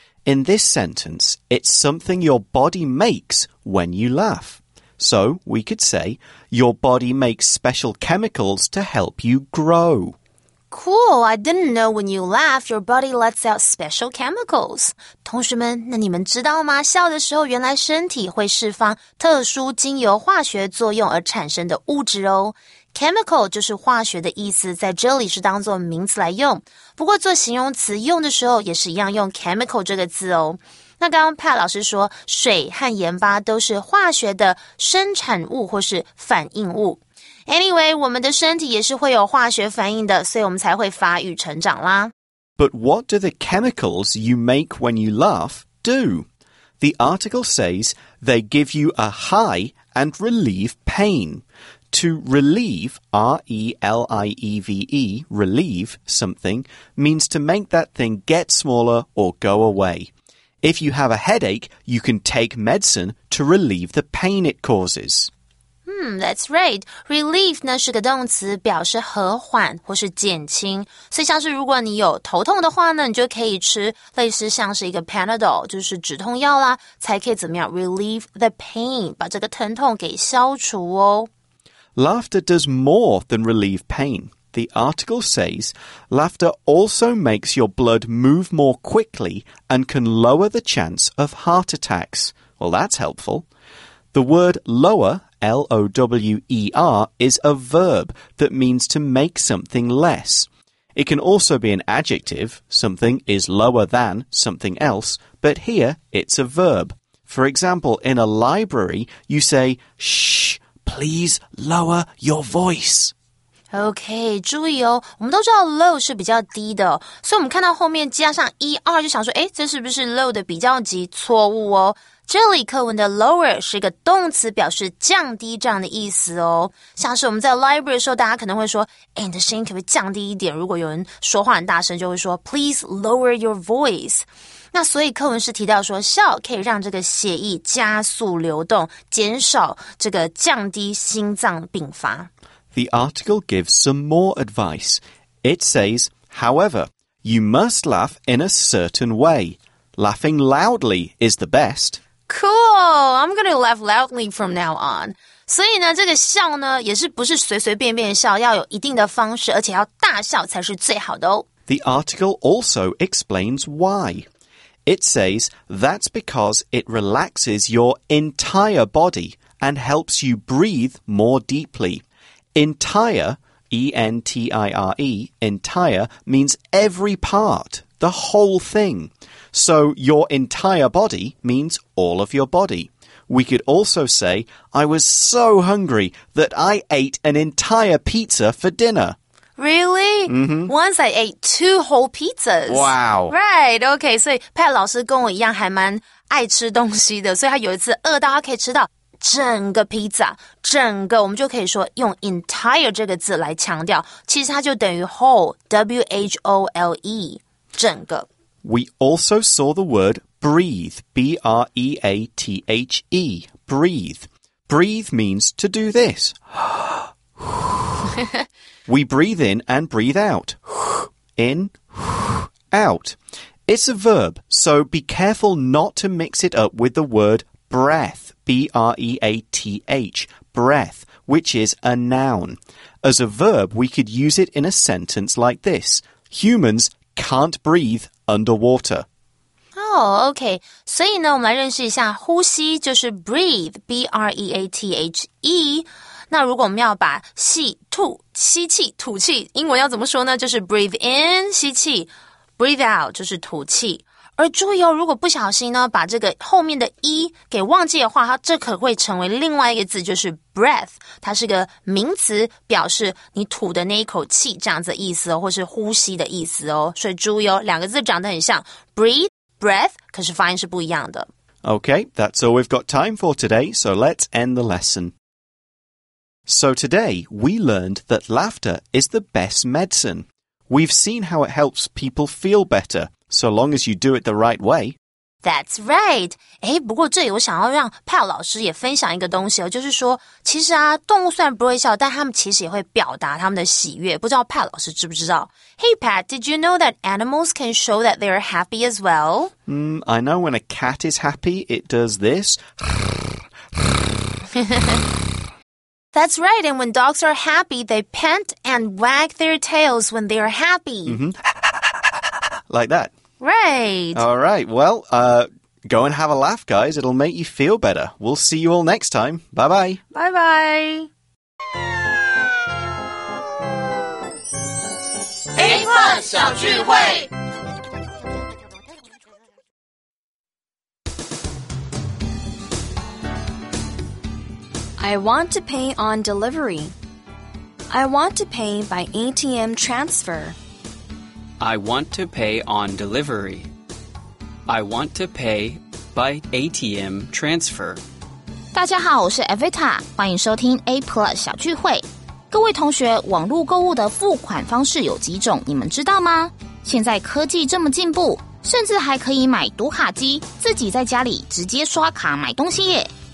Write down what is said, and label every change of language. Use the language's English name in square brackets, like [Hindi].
[English] In this sentence, it's something your body makes when you laugh. So, we could say, your body makes special chemicals to help you grow. Cool, I didn't know when you laugh, your body lets out special chemicals. [Chinese] 同学们，那你们知道吗？笑的时候，原来身体会释放特殊经由化学作用而产生的物质哦。 Chemical 就是化学的意思，在这里是当作名词来用。不过做形容词用的时候也是一样用 chemical 这个字哦。那刚刚 Pat 老师说，水和盐巴都是化学的生产物或是反应物。 Anyway, 我们的身体也是会有化学反应的，所以我们才会发育成长啦。 [English] But what do the chemicals you make when you laugh do? The article says they give you a high and relieve pain. To relieve, R-E-L-I-E-V-E, relieve something, means to make that thing get smaller or go away. If you have a headache, you can take medicine to relieve the pain it causes. That's right. [Chinese] Relieve 呢是个动词，表示和缓或是减轻。所以像是如果你有头痛的话呢，你就可以吃类似像是一个 Panadol, 就是止痛药啦，才可以怎么样 [English] relieve the pain, [Chinese] 把这个疼痛给消除哦。 [English] Laughter does more than relieve pain. The article says, laughter also makes your blood move more quickly and can lower the chance of heart attacks. Well, that's helpful. The word lower, L-O-W-E-R, is a verb that means to make something less. It can also be an adjective. Something is lower than something else, but here it's a verb. For example, in a library, you say, Shh, please lower your voice. [Chinese] Okay, 注意哦，我们都知道 low 是比较低的，所以我们看到后面加上 er 就想说，诶，这是不是 low 的比较级？错误哦。这里课文的 lower 是一个动词，表示降低这样的意思哦。像是我们在 library 的时候，大家可能会说，诶，你的声音可不可以降低一点？如果有人说话很大声，就会说 [English] please lower your voice。 [Chinese] 那所以课文是提到说，笑可以让这个血液加速流动，减少这个降低心脏病发。 [English] The article gives some more advice. It says, however, you must laugh in a certain way. Laughing loudly is the best. Cool! I'm going to laugh loudly from now on. [Chinese] 所以呢，这个笑呢，也是不是随随便便笑，要有一定的方式，而且要大笑才是最好的哦。 [English] The article also explains why. It says, that's because it relaxes your entire body and helps you breathe more deeply. Entire, E-N-T-I-R-E, entire, means every part, the whole thing. So your entire body means all of your body. We could also say, I was so hungry that I ate an entire pizza for dinner. Really? Mm-hmm. Once I ate two whole pizzas. Wow. Right, okay. [Chinese] 所以 Pat 老师跟我一样还蛮爱吃东西的，所以他有一次饿到他可以吃到整个 pizza, 整个我们就可以说用 entire 这个字来强调其实它就等于 whole, W-H-O-L-E, 整个。 [English] We also saw the word breathe, B-R-E-A-T-H-E, breathe. Breathe means to do this. We breathe in and breathe out. In, out. It's a verb, so be careful not to mix it up with the word breath. B-R-E-A-T-H, breath, which is a noun. As a verb, we could use it in a sentence like this. Humans can't breathe underwater. Oh, okay. [Chinese] 所以呢，我们来认识一下呼吸就是 breathe, B-R-E-A-T-H-E. 那如果我们要把气吐，吸气，吐气，英文要怎么说呢？就是 [English] breathe in, [Chinese] 吸气 [English] breathe out, [Chinese] 就是吐气。而注意哦，如果不小心呢，把这个后面的 e 给忘记的话，它这可会成为另外一个字，就是 breath。它是个名词，表示你吐的那一口气这样子的意思哦，或是呼吸的意思哦。所以注意哦，两个字长得很像 breathe, breath, 可是发音是不一样的。 [English] Okay, that's all we've got time for today, so let's end the lesson. So today, we learned that laughter is the best medicine. We've seen how it helps people feel better. So long as you do it the right way. That's right. [Chinese] 诶，不过这里我想要让 Pat 老师也分享一个东西哦，就是说，其实啊，动物虽然不会笑，但他们其实也会表达他们的喜悦。不知道 Pat 老师知不知道 ？ [English] Hey Pat, did you know that animals can show that they are happy as well? I know when a cat is happy, it does this. That's right. And when dogs are happy, they pant and wag their tails when they are happy. Like that. Right. All right. Well, go and have a laugh, guys. It'll make you feel better. We'll see you all next time. Bye-bye. Bye-bye. A Fun 小聚会 I want to pay on delivery. I want to pay by ATM transfer. I want to pay on delivery. I want to pay by ATM transfer. [Chinese] 大家好，我是 Evita， 欢迎收听 A Plus 小聚会。各位同学，网络购物的付款方式有几种，你们知道吗？现在科技这么进步，甚至还可以买读卡机，自己在家里直接刷卡买东西耶。